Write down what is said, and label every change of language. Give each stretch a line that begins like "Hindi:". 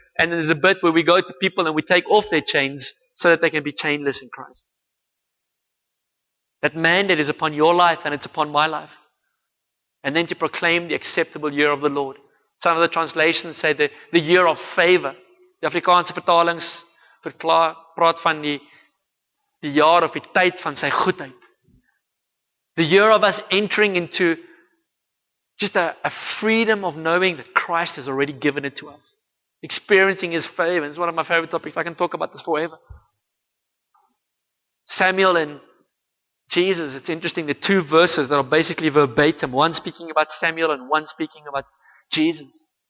English: And then there's a bit where we go to people and we take off their chains so that they can be chainless in Christ. That mandate is upon your life and it's upon my life. And then to proclaim the acceptable year of the Lord. Some of the translations say the year of favor.
Afrikaans: The Afrikaanse vertalings praat van die jaar of die tyd van sy goedheid.
English: The year of us entering into just a freedom of knowing that Christ has already given it to us. Experiencing His favor. It's one of my favorite topics. I can talk about this forever. Samuel and Jesus, it's interesting, the two verses that are basically verbatim, one speaking about Samuel and one speaking about Jesus.